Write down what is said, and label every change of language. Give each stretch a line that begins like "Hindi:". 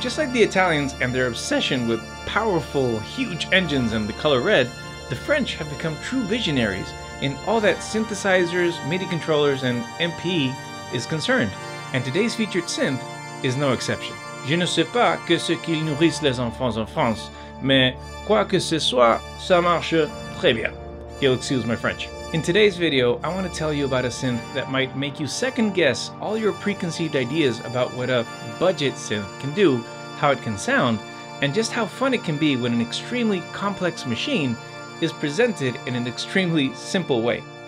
English: Just like the Italians and their obsession with powerful, huge engines and the color red, the French have become true visionaries in all that synthesizers, MIDI controllers, and MP is concerned. And today's featured synth is no exception.
French: Je ne sais pas que ce qu'ils nourrissent les enfants en France, mais quoi que ce soit, ça marche très bien.
English: You'll excuse my French. In today's video, I want to tell you about a synth that might make you second guess all your preconceived ideas about what a budget synth can do, how it can sound, and just how fun it can be when an extremely complex machine is presented in an extremely simple way.